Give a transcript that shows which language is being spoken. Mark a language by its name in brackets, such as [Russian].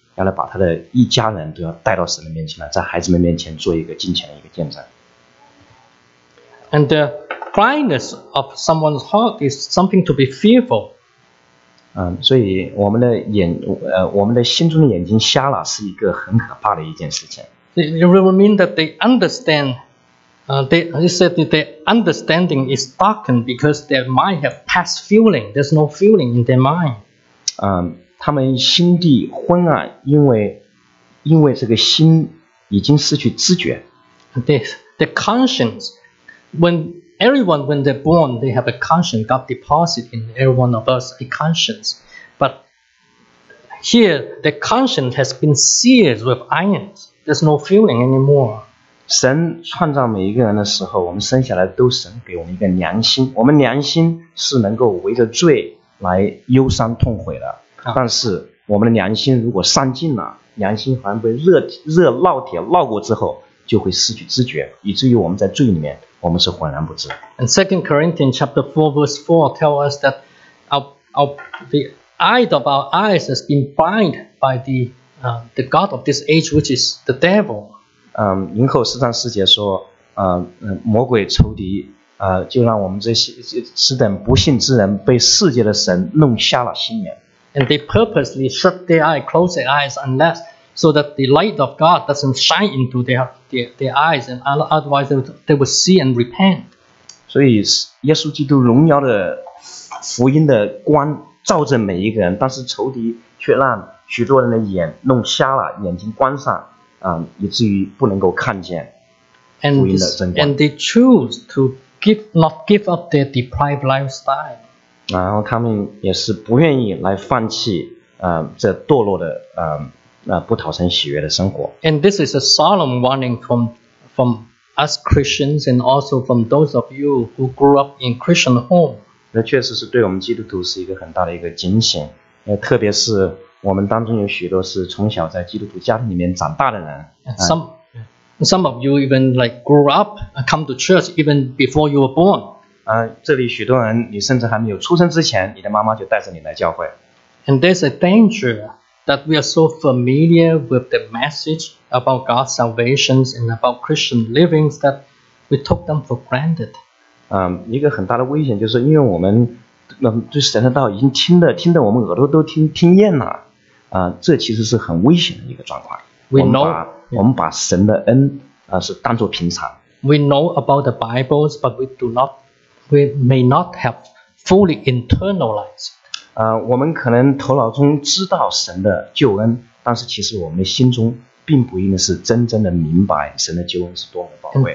[Chinese] 要来把他的一家人都要带到神的面前来，在孩子们面前做一个敬虔的一个见证。 [English] And the blindness of someone's heart is something to be fearful. [Chinese] 所以我们的我们的心中的眼睛瞎了是一个很可怕的一件事情。 [English] It will mean that they understand, they said that their understanding is darkened because their mind have past feeling. There's no feeling in their mind. [Chinese] 他们心地昏暗，因为这个心已经失去知觉。 [English] The conscience, when they're born, they have a conscience. God deposits in every one of us a conscience. But here, the conscience has been seared with irons. There's no feeling anymore. [Chinese] 神创造每一个人的时候，我们生下来都神给我们一个良心，我们良心是能够围着罪来忧伤痛悔的。但是我们的良心如果伤尽了，良心好像被热烙铁烙过之后，就会失去知觉，以至于我们在罪里面，我们是浑然不知。 [English] And 2 Corinthians chapter 4 verse 4 tell us that the eye of our eyes has been blinded by the god of this age, which is the devil. [Chinese] 林后四章四节说，魔鬼仇敌，就让我们这些此等不信之人被世界的神弄瞎了心眼。 [English] And they purposely shut their eyes, close their eyes, unless so that the light of God doesn't shine into their eyes, and otherwise they will see and repent. [Chinese] 所以耶稣基督荣耀的福音的光照着每一个人，但是仇敌却让许多人的眼弄瞎了，眼睛关上，以至于不能够看见福音的真光。 [English] And they choose to not give up their deprived lifestyle. [Chinese] 然后他们也是不愿意来放弃，这堕落的，不讨神喜悦的生活。 [English] And this is a solemn warning from us Christians, and also from those of you who grew up in Christian home. [Chinese] 那确实是对我们基督徒是一个很大的一个警醒，特别是我们当中有许多是从小在基督徒家庭里面长大的人。 [English] Some of you even like grew up, come to church even before you were born. [Chinese] 这里许多人，你甚至还没有出生之前，你的妈妈就带着你来教会。 [English] And there's a danger that we are so familiar with the message about God's salvation and about Christian livings that we took them for granted. [Chinese] 一个很大的危险就是因为我们对神的道已经听得我们耳朵都听厌了，这其实是很危险的一个状况。我们把神的恩是当作平常。 [English] We know about the Bibles, but we may not have fully internalized. [Chinese] 我们可能头脑中知道神的救恩，但是其实我们的心中并不一定是真正的明白神的救恩是多么宝贵。